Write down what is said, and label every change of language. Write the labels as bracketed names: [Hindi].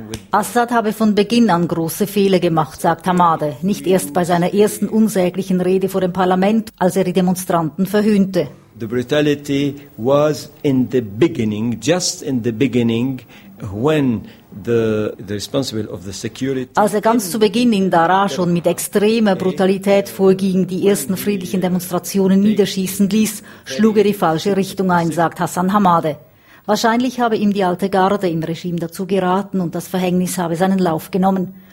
[German] Assad habe von Beginn an große Fehler gemacht, sagt Hamade. Nicht erst bei seiner ersten unsäglichen Rede vor dem Parlament, als er die Demonstranten verhöhnte. [English] The brutality was in the beginning, just in the beginning, when the responsible of the security. [German] Als er ganz zu Beginn in Daraa schon mit extremer Brutalität vorging, die ersten friedlichen Demonstrationen niederschießen ließ, schlug er die falsche Richtung ein, sagt Hassan Hamade. Wahrscheinlich habe ihm die alte Garde im Regime dazu geraten und das Verhängnis habe seinen Lauf genommen.